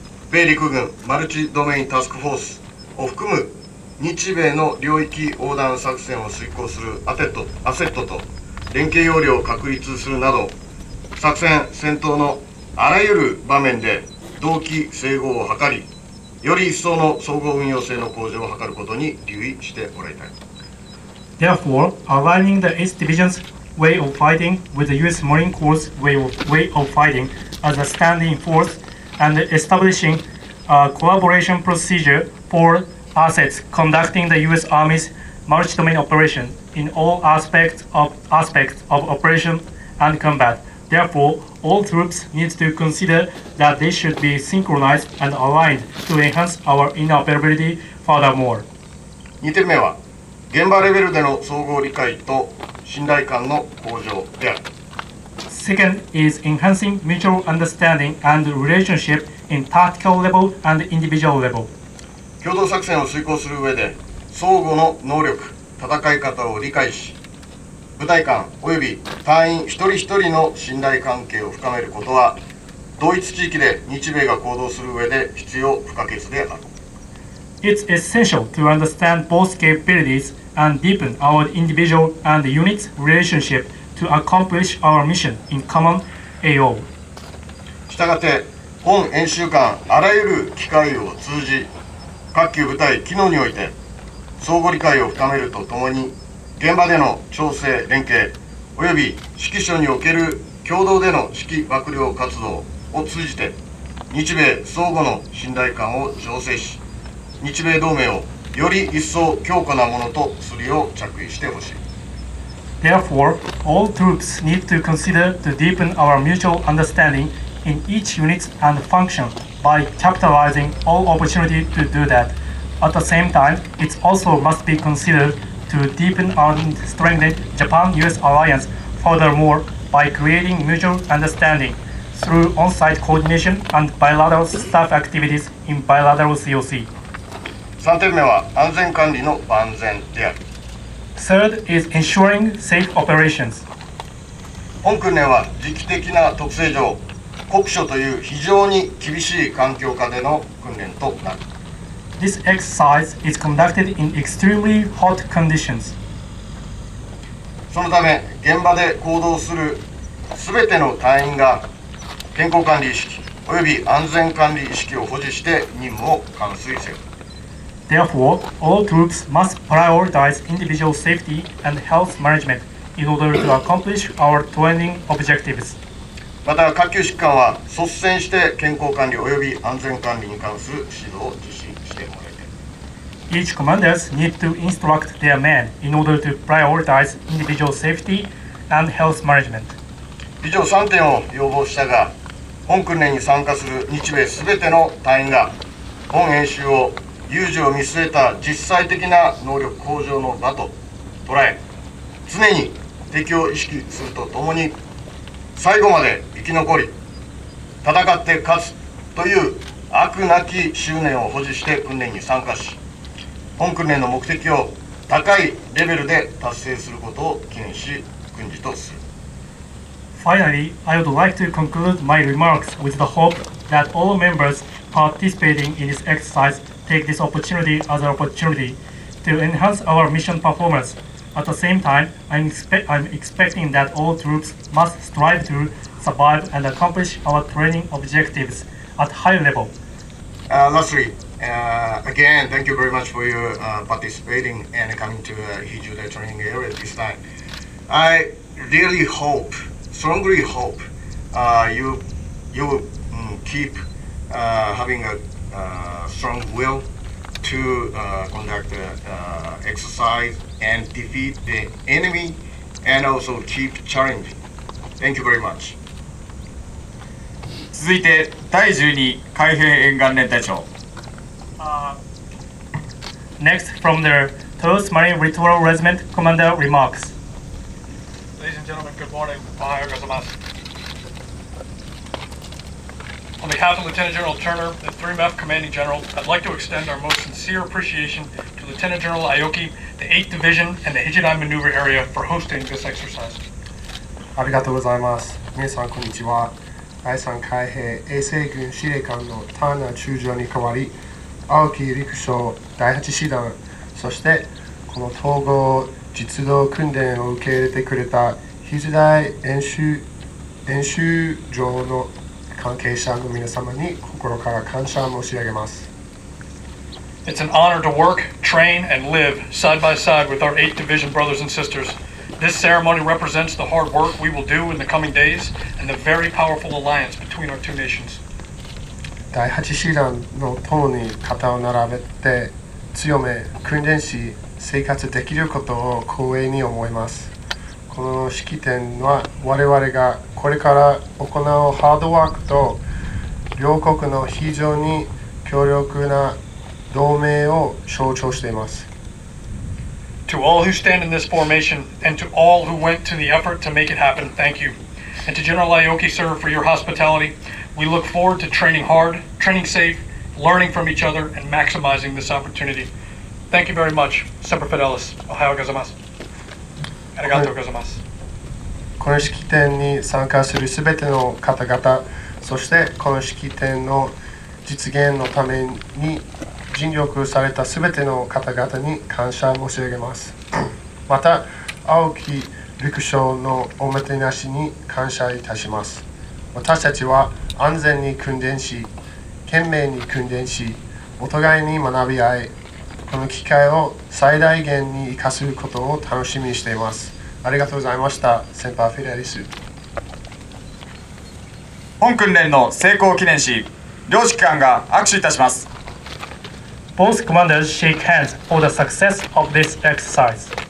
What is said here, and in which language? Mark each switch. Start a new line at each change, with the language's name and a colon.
Japanese: 米陸軍マルチドメインタスクフォースを含む日米の領域横断作戦を遂行するアセットと連携要領を確立するなど、作戦戦闘のあらゆる場面で同期整合を図り、より一層の総合運用性の向上を図ることに留意してもらいたい。
English: Therefore, aligning the 8th Division's way of fighting with the U.S. Marine Corps way of fighting as a standing force and establishing a collaboration procedure forAssets conducting the U.S. Army's multi-domain operation in all aspects of operation and combat. Therefore, all troops need to consider that they should be synchronized and aligned to enhance our interoperability furthermore.
Japanese: 2点目は、現場レベルでの総合理解と信頼感の向上である。
English: Second is enhancing mutual understanding and relationship in tactical level and individual level.
Japanese: 共同作戦を遂行する上で、相互の能力、戦い方を理解し、部隊間および隊員一人一人の信頼関係を深めることは、同一地域で日米が行動する上で必要不可欠である。
English: It's essential to understand both capabilities and deepen our individual and units' relationship to accomplish our mission in common AO.
Japanese: したがって、本演習間あらゆる機会を通じ、各級部隊機能において相互理解を深めるとともに、現場での調整連携および指揮所における共同での指揮幕僚活動を通じて、日米相互の信頼感を醸成し、日米同盟をより一層強固なものとするよう着意してほしい。
English: Therefore, all troops need to consider to deepen our mutual understanding in each unit and functionby capitalizing all opportunity to do that. At the same time, it also must be considered to deepen and strengthen Japan-US alliance furthermore by creating mutual understanding through on-site coordination and bilateral staff activities in bilateral COC.
Japanese: 3点目は安全管理の万全である。
English: Third is ensuring safe operations.
Japanese: 本訓練は時期的な特性上、国書という非常に厳しい環境下での訓練となる。
English: This exercise is conducted in extremely hot conditions.
Japanese: そのため、現場で行動するすべての隊員が健康管理意識および安全管理意識を保持して任務を完遂せよ。
English: Therefore, all troops must prioritize individual safety and health management in order to accomplish our training objectives.
Japanese: また各級指揮官は率先して健康管理および安全管理に関する指導を実施してもらいたい。
English: Each commanders need to instruct their men in order to prioritize individual safety and health management. 以上3点を要望したが、本訓練に参加する日米全ての隊員が本演習を有事を見据えた実際的な能力向上の場と捉え、常に敵を意識するとともに最後まで生き残り、戦って勝つという飽くなき執念を保持して訓練に参加し、本訓練の目的を高いレベルで達成することを記念し、訓示とする。 Finally, I would like to conclude my remarks with the hope that all members participating in this exercise take this opportunity as an opportunity to enhance our mission performance. At the same time, I'm expecting that all troops must strive to survive and accomplish our training objectives at high level. Lastly, again, thank you very much for your participating and coming to Hijuda training area this time. I really hope, strongly hope, you will keep having a strong will to conduct the exercise and defeat the enemy and also keep challenging. Thank you very much.
Japanese: 続いて第12海兵沿岸連隊長。
English: Next from the Toulouse Marine Littoral Regiment Commander remarks. Ladies and gentlemen, good morning.
Japanese: Ohayou gozaimasu.
English: On behalf of Lieutenant General Turner and 3MF Commanding General, I'd like to extend our most sincere appreciation to Lieutenant General Aoki, the 8th Division and the Hijudai Maneuver Area for hosting this exercise.
Japanese: ありがとうございます。皆さんこんにちは。第3海兵衛生軍司令官のターナー中将に代わり、青木陸将第8師団、そしてこの統合実動訓練を受け入れてくれた Hijudai演習場の関係者の皆様に心から感謝申し上げます。
English: It's an honor to work, train, and live side by side with our 8th Division brothers and sisters. This ceremony represents the hard work we will do in the coming days and the very powerful alliance between our two nations.
Japanese: 第8師団の党に肩を並べて強め訓練し生活できることを光栄に思います。この式典は我々がこれから行うハードワークと両国の非常に強力な同盟を象徴しています。
English: To all who stand in this formation, and to all who went to the effort to make it happen, thank you. And to General Aoki, sir, for your hospitality. We look forward to training hard, training safe, learning from each other, and maximizing this opportunity. Thank you very much. Semper Fidelis.
Japanese: Ohayou gozaimasu. Arigatou gozaimasu. この式典に参加するすべての方々、そしてこの式典の実現のために尽力されたすべての方々に感謝申し上げます。また、青木陸将のおもてなしに感謝いたします。私たちは安全に訓練し、懸命に訓練し、お互いに学び合い、この機会を最大限に生かすことを楽しみにしています。ありがとうございました。センパーフィレリス。本訓練の成功を記念し、両指揮官が握手いたします。
English: Both commanders shake hands for the success of this exercise.